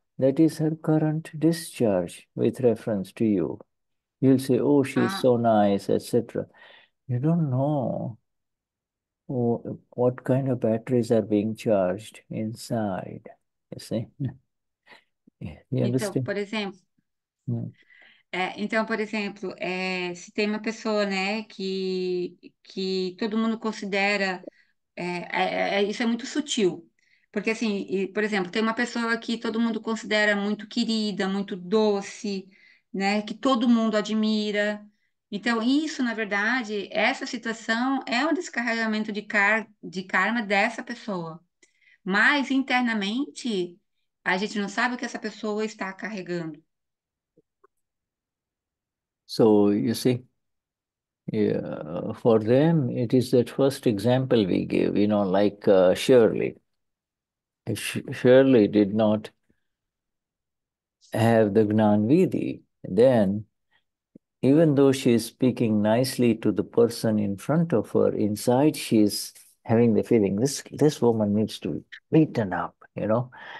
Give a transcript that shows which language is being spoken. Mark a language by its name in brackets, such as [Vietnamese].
[English] That is her current discharge with reference to you. You'll say, oh, she's so nice, etc. You don't know what kind of batteries are being charged inside. You see? You understand? [Portuguese] Então, por exemplo, é, se tem uma pessoa, né, que todo mundo considera, isso é muito sutil, porque assim, e, por exemplo, tem uma pessoa que todo mundo considera muito querida, muito doce, né, que todo mundo admira. Então, isso, na verdade, essa situação é um descarregamento de karma dessa pessoa. Mas internamente, a gente não sabe o que essa pessoa está carregando. [English] So, you see, for them, it is that first example we give, you know, like Shirley. Shirley did not have the Gnan Vidhi. Then, even though she is speaking nicely to the person in front of her, inside she is having the feeling, this woman needs to beaten up, you know.